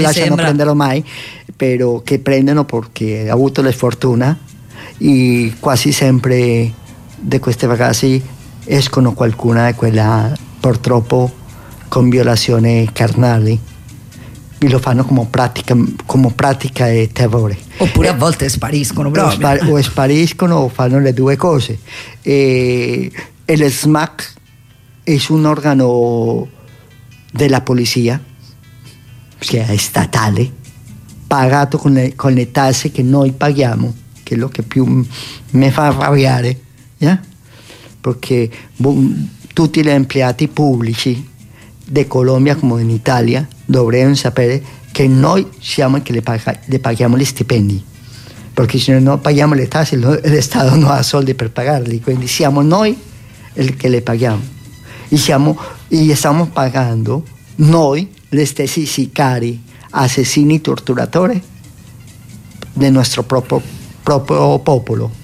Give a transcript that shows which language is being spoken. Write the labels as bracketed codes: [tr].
[it] lasciano prendere mai, però che prendono perché ha avuto la sfortuna, e quasi sempre di queste ragazze escono qualcuna di quella purtroppo con violazioni carnali, e lo fanno come pratica di terrore, oppure a volte spariscono proprio. O spariscono o fanno le due cose. [es] E el SMAC es un órgano de la policía, o sea, estatal, [it] pagato con le tasse che noi paghiamo, che è lo che più mi fa arrabbiare, yeah? Perché tutti gli impiegati pubblici di Colombia come in Italia dovrebbero sapere che noi siamo che le paghiamo gli stipendi, perché se non paghiamo le tasse l'Stato non ha soldi per pagarli, quindi siamo noi il che le paghiamo e stiamo pagando noi gli stessi sicari, assassini, torturatori del nostro proprio popolo.